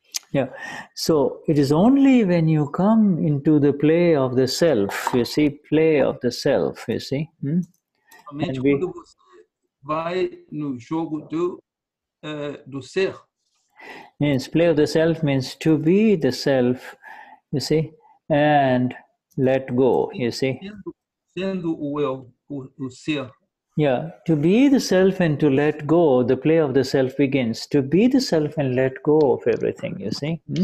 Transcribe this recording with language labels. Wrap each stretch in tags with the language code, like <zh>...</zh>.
<en>Yeah. So it is only when you come into the play of the self, you see, play of the self, you see.</en> <pt>Somente quando você vai no jogo do ser.</pt> <en>Yes, play of the self means to be the self, you see, and let go, you see.</en> <pt>Sendo o eu, o ser.</pt> <en>Yeah, to be the self and to let go, the play of the self begins. To be the self and let go of everything, you see.</en>